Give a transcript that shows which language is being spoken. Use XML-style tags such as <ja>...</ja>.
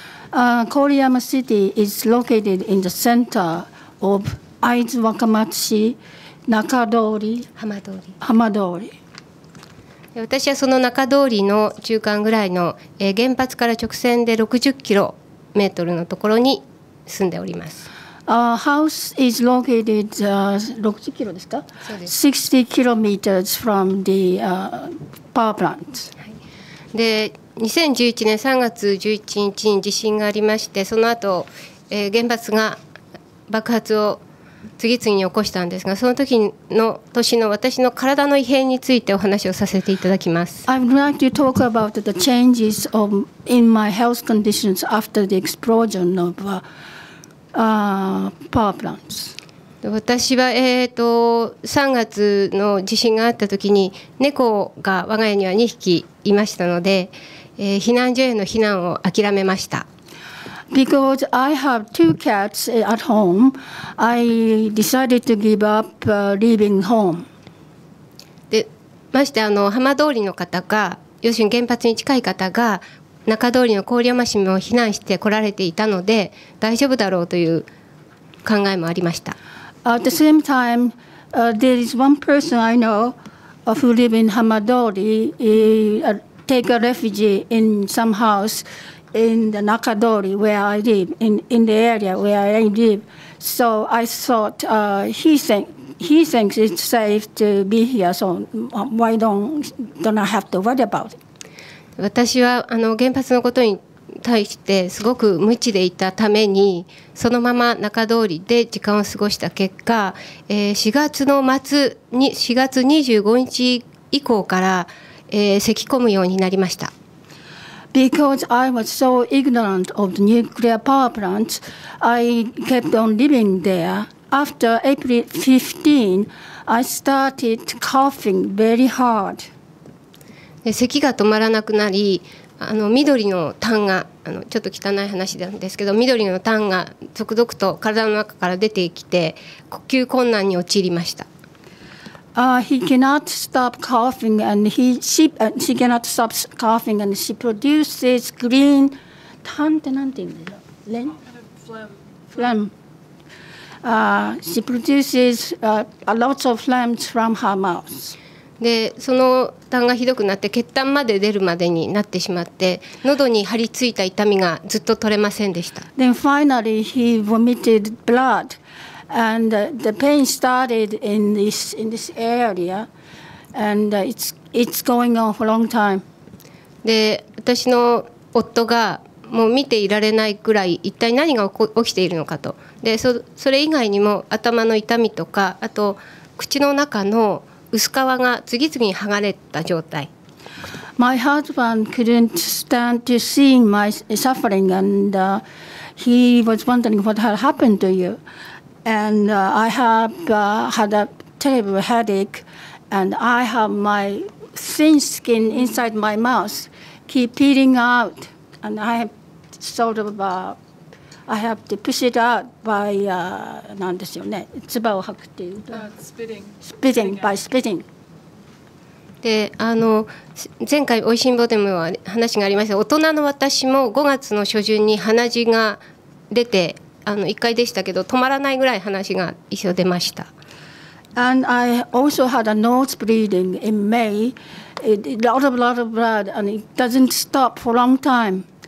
<en>Koriyama City is located in the center of</en> <ja>会津若松市中通り浜通り浜通り。私はその中通りの中間ぐらいの原発から直線で60キロメートルのところに住んでおります。</ja> <en>Our house is located</en> <ja>60キロですか、60キロメートル</ja> <en>from the power plant、</en> <ja>はい、で2011年3月11日に地震がありまして、その後、原発が爆発を次々に起こしたんですが、その時の年の私の体の異変についてお話をさせていただきます。</ja> <en>I would like to talk about the changes of in my health conditions after the explosion of power plants.</en> <ja>私は3月の地震があった時に猫が我が家には2匹いましたので、避難所への避難を諦めました。</ja> <en>Because I have two cats at home, I decided to give up leaving home.</en> <ja>で、まして浜通りの方が、要するに原発に近い方が中通りの郡山市も避難して来られていたので、大丈夫だろうという考えもありました。</ja> <en>At the same time, there is one person I know who live in 浜通り, take a refuge in some house. In the Nakadori where I live, in the area where I live. So I thought he thinks it's safe to be here, so why don't I have to worry about it?</en> <ja>私は原発のことに対してすごく無知でいたために、そのまま中通りで時間を過ごした結果、4月の末に4月25日以降から、咳き込むようになりました。</ja> <en>Because I was so ignorant of the nuclear power plants, I kept on living there. After April 15, I started coughing very hard.</en> <ja>咳が止まらなくなり、緑の痰が、ちょっと汚い話なんですけど、緑の痰が続々と体の中から出てきて、呼吸困難に陥りました。</ja> <en>He cannot stop coughing and she cannot stop coughing and she produces green tan</en> <ja>って何て言うんだろう、</ja> <en>phlegm. Phlegm. She produces a lot of phlegm from her mouth.</en> <ja>で、その痰がひどくなって血痰まで出るまでになってしまって、喉に張り付いた痛みがずっと取れませんでした。</ja> <en>Then finally he vomited blood. And the pain started in this area, and it's going on for a long time.</en> <ja>で、私の夫がもう見ていられないくらい一体何が起きているのかと、で それ以外にも頭の痛みとか、あと口の中の薄皮が次々に剥がれた状態。</ja> <en>My husband couldn't stand to seeing my suffering and、he was wondering what had happened to you and、I have、had a terrible headache and I have my thin skin inside my mouth keep peeling out and I have sort of、I have to push it out by、</en> <ja>なんでしょうね、唾を吐くっていうと、</ja> <en>spitting</en> <ja>で、あの前回おいしん坊でも話がありました、大人の私も5月の初旬に鼻血が出て、あの1回でしたけど止まらないぐらい鼻血が一緒出ました。</ja> <en>And I also had a nose bleeding in May a lot of blood and it doesn't stop for a long time。</en>